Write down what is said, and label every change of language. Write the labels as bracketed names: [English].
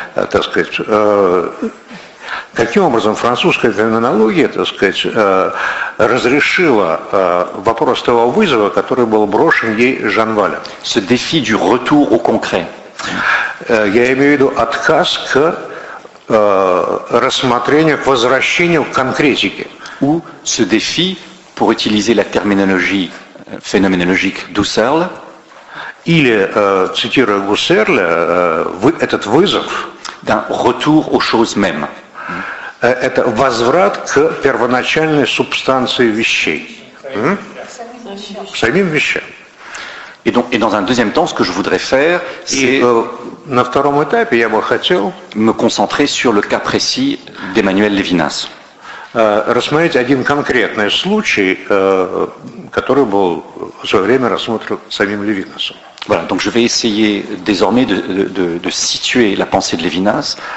[Russian] Так сказать, каким образом французская феноменология, так сказать, разрешила вопрос того вызова, который был брошен ей Жан Валем. [French] Ce défi du retour au concret. [Russian] Я имею в виду отказ к рассмотрению, к возвращению к конкретике. [French] Ou ce défi, pour utiliser la terminologie phénoménologique d'Husserl, [Russian] или, цитируя Гуссерля, этот вызов, [French] d'un retour aux choses mêmes, [Russian] это возврат к первоначальной субстанции вещей, к самим вещам. [French] Et dans un deuxième temps, ce que je voudrais faire, c'est [Russian] на втором этапе я бы хотел [French] me concentrer sur le cas précis d'Emmanuel Levinas. [Russian] Рассмотреть один конкретный случай, который был в свое время рассмотрен самим Левинасом. [French] Voilà, donc je vais essayer désormais de situer la pensée de Levinas.